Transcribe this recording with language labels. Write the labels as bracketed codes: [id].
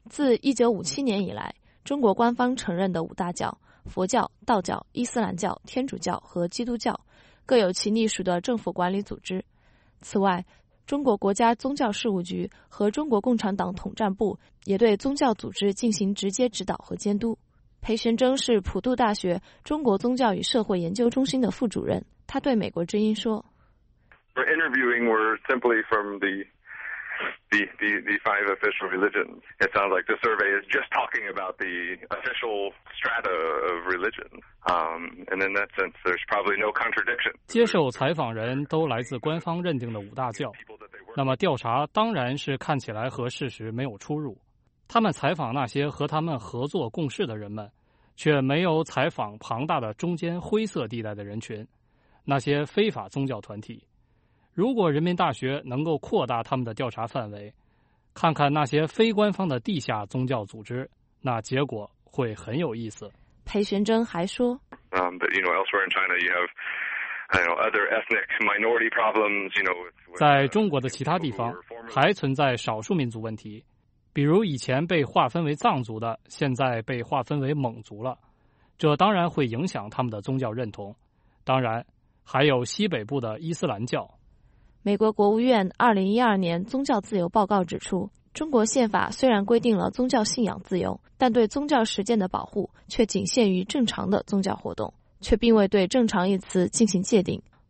[zh] 自1957年以来，中国官方承认的五大教，佛教、道教、伊斯兰教、天主教和基督教，各有其隶属的政府管理组织。此外，中国国家宗教事务局和中国共产党统战部也对宗教组织进行直接指导和监督。裴玄征是普渡大学中国宗教与社会研究中心的副主任，他对美国之音说： [en] We're interviewing, we're simply from the five official religions. It sounds like the survey is just talking about the official strata of religion. And in that sense, there's probably no contradiction. [zh] 接受采访人都来自官方认定的五大教，那么调查当然是看起来和事实没有出入。他们采访那些和他们合作共事的人们，却没有采访庞大的中间灰色地带的人群，那些非法宗教团体。如果人民大学能够扩大他们的调查范围，看看那些非官方的地下宗教组织，那结果会很有意思。裴玄征还说 [en] But, you know, elsewhere in China, you have, I know, other ethnic minority problems, you know, with, [zh] 在中国的其他地方还存在少数民族问题，比如以前被划分为藏族的，现在被划分为蒙族了，这当然会影响他们的宗教认同。当然，还有西北部的伊斯兰教。美国国务院2012年宗教自由报告指出，中国宪法虽然规定了宗教信仰自由，但对宗教实践的保护却仅限于正常的宗教活动，却并未对正常一词进行界定。